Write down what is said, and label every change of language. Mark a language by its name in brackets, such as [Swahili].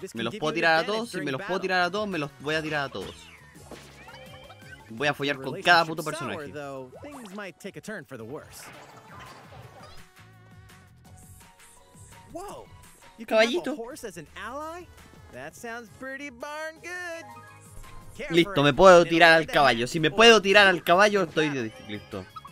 [Spanish] Me los puedo tirar a todos, si me los puedo tirar a todos, me los voy a tirar a todos. Voy a follar con cada puto personaje. [English] Though, things might take a turn for the worse. Whoa, you can have a horse as an ally? That sounds pretty darn good. [Spanish] Listo, me puedo tirar al caballo. Si me puedo tirar al caballo, estoy listo.